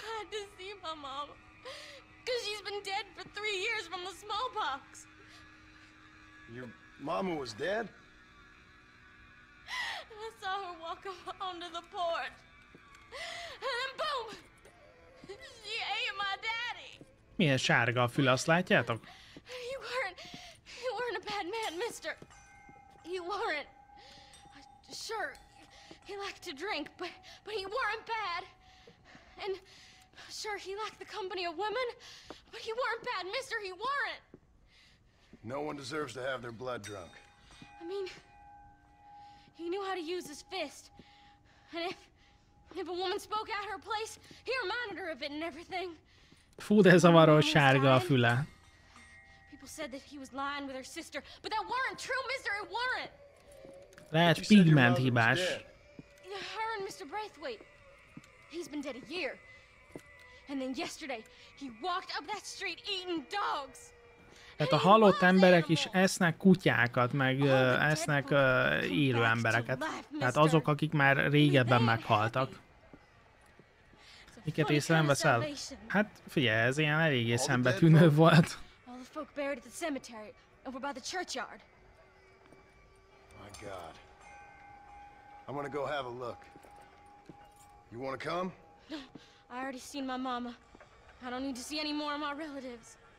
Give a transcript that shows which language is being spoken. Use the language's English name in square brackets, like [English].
[English] To see my mom, because she's been dead for 3 years from the smallpox. Your mama was dead? I saw her walk up onto the porch, and then boom, she ate my daddy. [Hungarian] Milyen sárga a füle, azt látjátok? [English] You weren't a bad man, mister. You weren't. Sure, he liked to drink, but you weren't bad. And sure, he lacked the company of women, but he weren't bad, mister, he weren't! No one deserves to have their blood drunk. I mean, he knew how to use his fist. And if a woman spoke out her place, he reminded her of it and everything. [Hungarian] Fú, de zavaró sárga a füle. [English] People said that he was lying with her sister, but that weren't true, mister, it weren't! [Hungarian] Lehet pigment hibás. [English] Her and Mr. Braithwaite, he's been dead a year. And then yesterday, he walked up that street eating dogs. [Hungarian] Tehát a halott emberek is esznek kutyákat, meg esznek élő embereket. Tehát azok, akik már régebben meghaltak. Miket észre nem veszel? Hát figyelj, ez ilyen eléggé szembetűnő volt. [English] All the folk buried at the cemetery, over by the churchyard. My God. I'm gonna go have a look. You wanna come? I already seen my mama. I don't need to see any more of my relatives.